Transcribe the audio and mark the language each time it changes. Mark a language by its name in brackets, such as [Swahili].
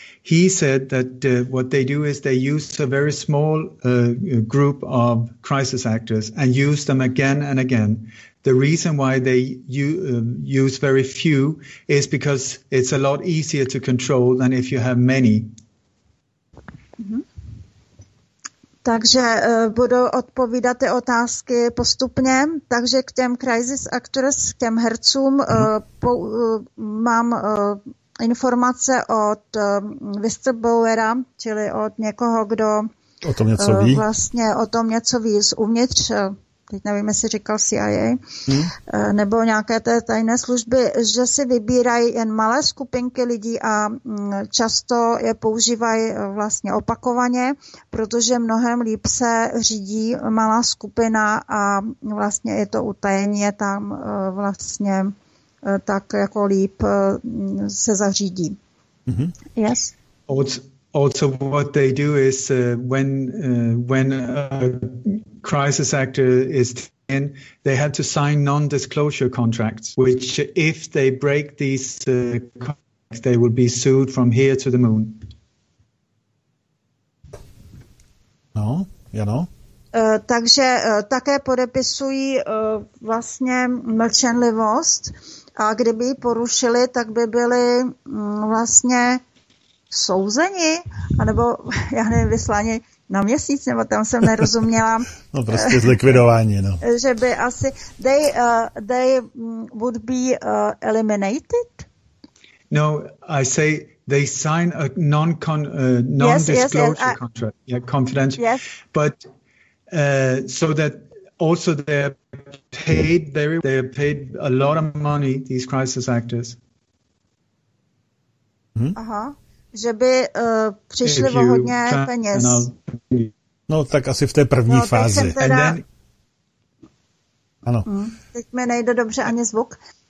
[English] He said that what they do is they use a very small group of crisis actors and use them again and again. The reason why they use very few is because it's a lot easier to control than if you have many. [Czech] Takže budu odpovídat ty otázky postupně. Takže k těm crisis actors, k těm hercům, mám informace od whistleblowera, čili od někoho, kdo o tom něco ví. Vlastně o tom něco ví zuvnitř, teď nevím, jestli říkal CIA, nebo nějaké té tajné služby, že si vybírají jen malé skupinky lidí a často je používají vlastně opakovaně, protože mnohem líp se řídí malá skupina a vlastně je to utajeně tam vlastně tak jako líp se zařídí. [English] Mm-hmm. Yes? Also, what they do is when a crisis actor is in, they have to sign non-disclosure contracts, which if they break these contracts, they will be sued from here to the moon. No, you know. [Czech] Takže také podepisují vlastně mlčenlivost, a kdyby porušili, tak by byli vlastně souzeni, anebo já nevím, vyslání na měsíc, nebo tam jsem nerozuměla. No prostě zlikvidování, no. Že by asi, [English] they would be eliminated? No, I say they sign a non-disclosure contract, yeah, confidential. Yes. But so that also they're paid a lot of money, these crisis actors. Aha. [Czech] Že by přišli o hodně peněz. No tak asi v té první fázi. Teda... Ano. Teď mi nejde dobře ani zvuk.